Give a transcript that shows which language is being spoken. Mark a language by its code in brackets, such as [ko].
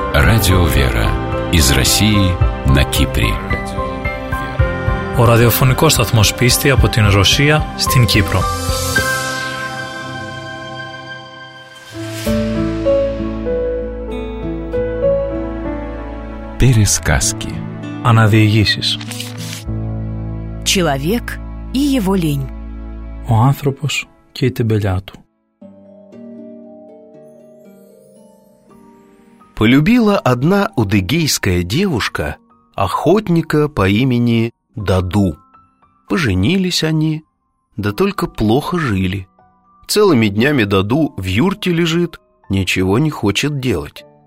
[ru] Радио Вера из России на Кипре. [el] Ο ραδιοφωνικός σταθμός πίστη από την Ρωσία στην Κύπρο. [ru] Пересказки. [el] Αναδιηγήσεις. [ru] Человек и его лень. [el] Ο άνθρωπος και η τεμπελιά του. [ru] Полюбила одна удыгейская девушка охотника по имени Даду. Поженились они, да только плохо жили. Целыми днями Даду в юрте лежит, ничего не хочет делать.